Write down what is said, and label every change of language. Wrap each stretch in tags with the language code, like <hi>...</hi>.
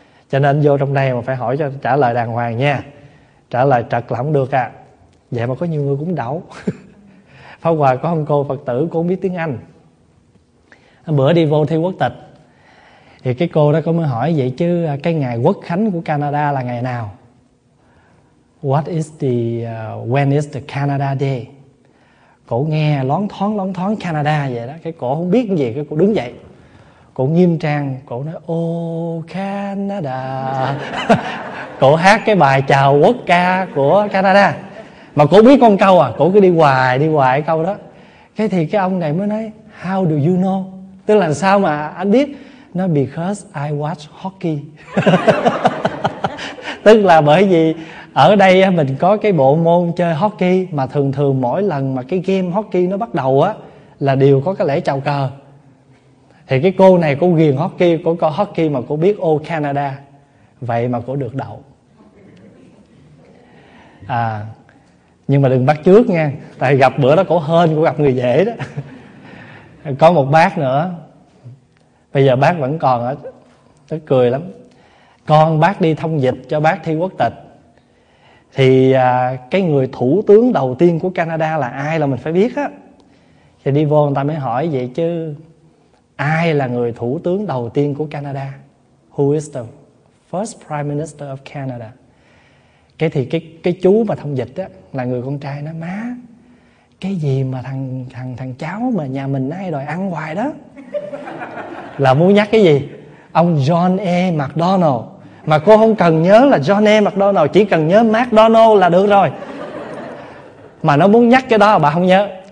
<vi>Cho nên vô trong đây mà phải hỏi cho trả lời đàng hoàng nha. Trả lời trật là không được à. Vậy mà có nhiều người cũng đậu. Pháp Hòa có một cô Phật tử, cô không biết tiếng Anh. Bữa đi vô thi quốc tịch, thì cái cô đó có mới hỏi vậy chứ cái ngày quốc khánh của Canada là ngày nào?</vi> <en>What is the when is the Canada Day?</en> <vi>Cổ nghe loáng thoáng Canada vậy đó, cái cổ không biết cái gì, cái cổ đứng dậy, cổ nghiêm trang, cổ nói oh Canada, cổ hát cái bài chào quốc ca của Canada, mà cổ biết con câu à, cổ cứ đi hoài câu đó. Cái thì cái ông này mới nói</vi> <en>how do you know?</en> <vi>Tức là sao mà anh biết?</vi> <en>Nó because I watch hockey.</en> <vi>Tức là bởi vì ở đây mình có cái bộ môn chơi hockey, mà thường thường mỗi lần mà cái game hockey nó bắt đầu á là đều có cái lễ chào cờ. Thì cái cô này cô ghiền hockey, cô coi hockey mà cô biết ô Canada, vậy mà cô được đậu. À, nhưng mà đừng bắt trước nha, tại gặp bữa đó cô hên, cô gặp người dễ đó. Có một bác nữa, bây giờ bác vẫn còn á, tức cười lắm. Con bác đi thông dịch cho bác thi quốc tịch, thì cái người thủ tướng đầu tiên của Canada là ai là mình phải biết á. Thì đi vô người ta mới hỏi vậy chứ ai là người thủ tướng đầu tiên của Canada?</vi> <en>Who is the first prime minister of Canada?</en> <vi>Cái thì cái chú mà thông dịch á là người con trai nó, má cái gì mà thằng cháu mà nhà mình nay đòi ăn hoài đó, là muốn nhắc cái gì? Ông John A. McDonald. Mà cô không cần nhớ là John A. McDonald, chỉ cần nhớ McDonald là được rồi. Mà nó muốn nhắc cái đó bà không nhớ.</vi>